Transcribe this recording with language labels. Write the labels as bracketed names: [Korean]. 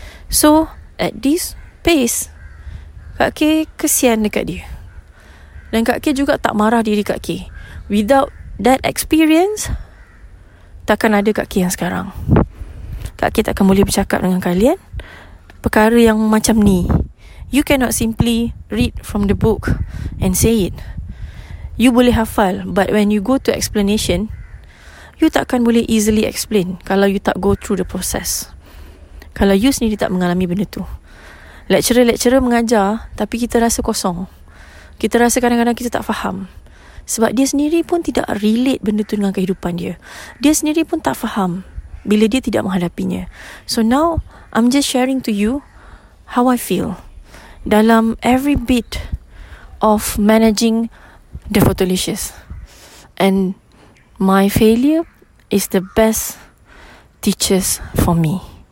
[English] So, at this pace, [Malay] Kak K kesian dekat dia. Dan Kak K juga tak marah diri Kak K. [English] Without that experience, [Malay] takkan ada Kak K yang sekarang. Kak K takkan boleh bercakap dengan kalian perkara yang macam ni, [English] You cannot simply read from the book and say it. You [Malay] boleh hafal, [English] but when you go to explanation, you [Malay] takkan boleh [English] easily explain [Malay] kalau you tak [English] go through the process. [Malay] Kalau you sendiri tak mengalami benda tu. Lecturer-lecturer mengajar, tapi kita rasa kosong. Kita rasa kadang-kadang kita tak faham. Sebab dia sendiri pun tidak relate benda tu dengan kehidupan dia. Dia sendiri pun tak faham bila dia tidak menghadapinya. [English] So now, I'm just sharing to you how I feel [Malay] dalam [English] every bit of managing the Photolicious. And my failure is the best teachers for me.